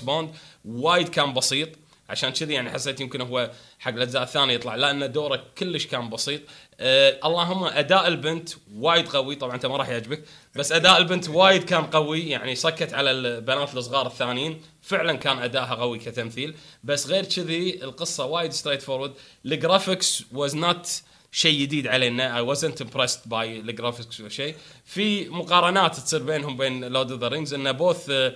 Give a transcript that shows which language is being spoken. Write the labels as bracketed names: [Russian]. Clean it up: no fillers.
[Arabic] بوند وايد كان بسيط، عشان كذي يعني حسيت يمكن هو حق الأجزاء الثانية يطلع، لأن دوره كلش كان بسيط. اللهم أداء البنت وايد قوي، طبعا أنت ما راح يعجبك بس أداء البنت وايد كان قوي يعني، سكت على البنات الصغار الثانيين، فعلا كان أداءها قوي كتمثيل. بس غير كذي القصة وايد [English] straight forward. The graphics was not [Arabic] شيء جديد علينا، [English] I wasn't impressed by the graphics or شيء. [Arabic] في مقارنات تصير بينهم بين Lord of the Rings، إن both